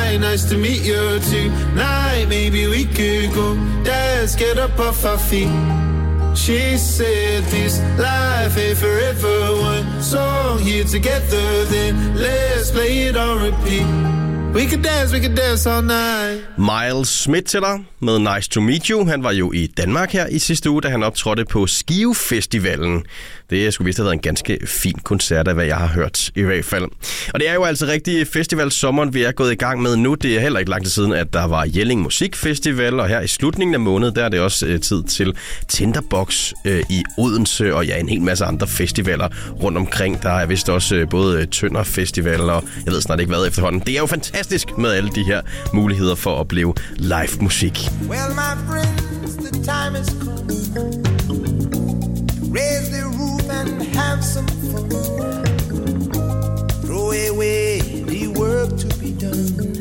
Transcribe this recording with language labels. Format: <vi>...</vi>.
<en>Nice to meet you tonight. Maybe we could go dance, get up off our feet. She said this life ain't forever. One song here together, then let's play it on repeat. We could dance, we could dance all night.</en> <da>Miles Smith til dig med Nice to Meet You. Han var jo i Danmark her i sidste uge, da han optrådte på Skive Festivalen. Det skulle vist have været en ganske fin koncert af, hvad jeg har hørt i hvert fald. Og det er jo altså rigtig festivalsommeren, vi er gået i gang med nu. Det er heller ikke langt siden, at der var Jelling Musikfestival. Og her i slutningen af måneden, der er det også tid til Tinderbox i Odense. Og ja, en hel masse andre festivaler rundt omkring. Der er vist også både Tønder Festival og jeg ved snart ikke hvad efterhånden. Det er jo fantastisk med alle de her muligheder for at opleve live musik.</da> <en>Well, my friends, the time is come. Raise the roof and have some fun. Throw away the work to be done.</en>